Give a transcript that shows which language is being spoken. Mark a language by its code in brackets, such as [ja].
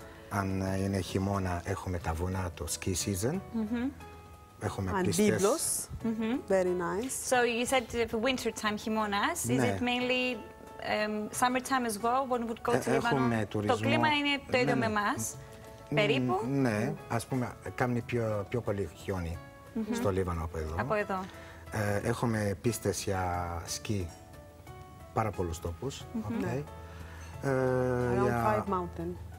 [el] Αν είναι χειμώνα, έχουμε τα βουνά, το ski season. Έχουμε πίστες. [en] And Biblos. Very nice. So you said for winter time, χειμώνας. Is it mainly summertime as well, one would go to Lebanon? [el] Έχουμε τουρισμό. Το κλίμα είναι το ίδιο με εμάς, περίπου. Ναι, ας πούμε, κάνει πιο πολύ χιόνι στο Λίβανο από εδώ. Από εδώ. Έχουμε πίστες για σκι πάρα πολλούς τόπους. [en] Around five mountain.